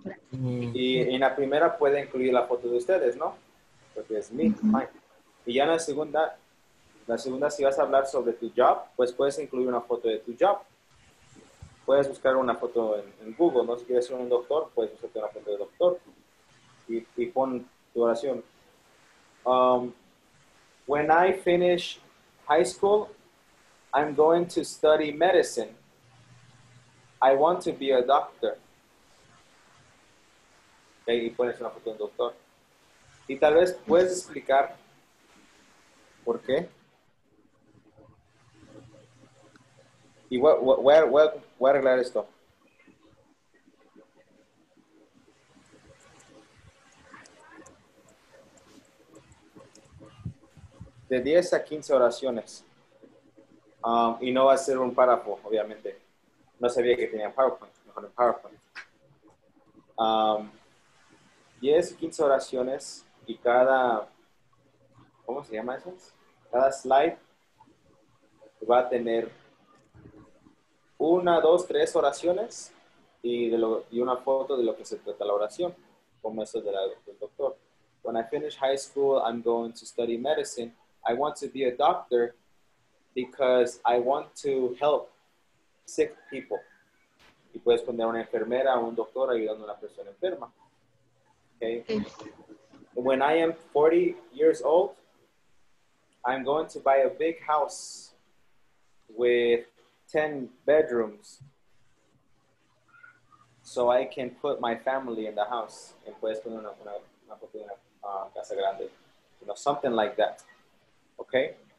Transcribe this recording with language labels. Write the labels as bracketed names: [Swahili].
[Spanish] Y en la primera puede incluir la foto de ustedes, ¿no? Porque es me, mine. Y ya en la segunda, si vas a hablar sobre tu job, pues puedes incluir una foto de tu job. Puedes buscar una foto en Google, ¿no? Si quieres ser un doctor, puedes buscar una foto de doctor y pon tu oración. [English] When I finish high school, I'm going to study medicine. I want to be a doctor. [Spanish] Okay, y pones una foto de un doctor. Y tal vez puedes explicar por qué. Y voy a arreglar esto. De 10 a 15 oraciones. Y no va a ser un párrafo, obviamente. No sabía que tenía PowerPoint. Mejor en PowerPoint. 10 a 15 oraciones y cada... ¿Cómo se llama eso? Cada slide va a tener... Una, dos, tres oraciones y una foto de lo que se trata la oración, como eso de del doctor. [English] When I finish high school, I'm going to study medicine. I want to be a doctor because I want to help sick people. [Spanish] Y puedes poner a una enfermera o un doctor ayudando a una persona enferma. [English] Okay. When I am 40 years old, I'm going to buy a big house with 10 bedrooms so I can put my family in the house. And [Spanish] puedes poner una pequeña casa grande. [English] You know, something like that. Okay?